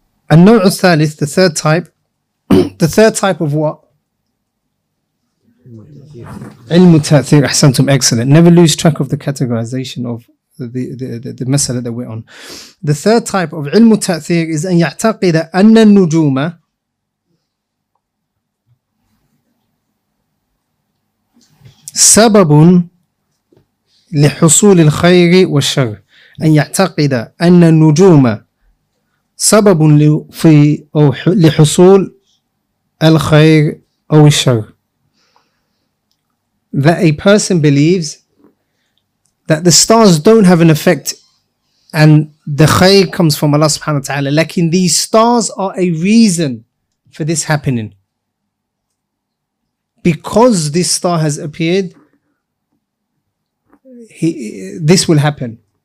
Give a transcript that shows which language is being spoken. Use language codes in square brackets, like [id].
[en] And [ar] النوع الثالث, [en] the third type, the third type of what? [ar] علم التأثير. أحسنتم, [en] excellent. Never lose track of the categorization of the مسألة that we're on. The third type of [ar] علم التأثير [en] is [ar] أن يعتقد أن النجوم سبب لحصول الخير والشر. أن يعتقد أن النجوم سبب في أو لحصول الخير أو الشر. [en] That a person believes that the stars don't have an effect and the khayr comes from Allah subhanahu wa ta'ala. Lakin these stars are a reason for this happening. Because this star has appeared, this will happen.